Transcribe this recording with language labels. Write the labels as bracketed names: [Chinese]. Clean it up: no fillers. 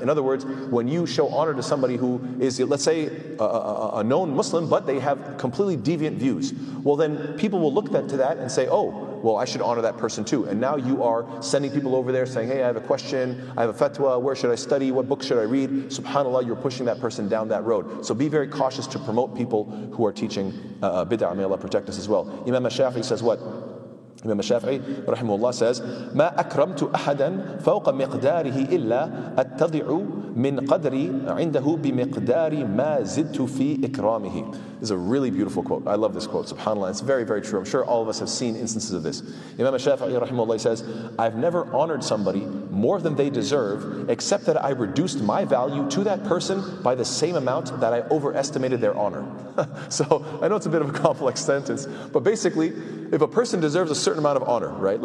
[English] In other words, when you show honor to somebody who is, let's say, a known Muslim, but they have completely deviant views, well then people will look to that and say, oh, well, I should honor that person too. And now you are sending people over there saying, hey, I have a question, I have a fatwa, where should I study, what book should I read? SubhanAllah, you're pushing that person down that road. So be very cautious to promote people who are teaching bid'ah. May Allah protect us as well. Imam al-Shafi says what? Imam al-Shafi'i, rahimahullah, says, [Arabic] مَا أَكْرَمْتُ أَحَدًا فَوْقَ مِقْدَارِهِ إِلَّا أَتَّضِعُ مِنْ قَدْرِي عِنْدَهُ بِمِقْدَارِ مَا زِدْتُ فِي إِكْرَامِهِ. [English] This is a really beautiful quote. I love this quote, subhanAllah. It's very, very true. I'm sure all of us have seen instances of this. Imam al-Shafi'i, rahimahullah, says, I've never honored somebody more than they deserve, except that I reduced my value to that person by the same amount that I overestimated their honor. So, I know it's a bit of a complex sentence, but basically, if a person deserves a certain amount of honor, right?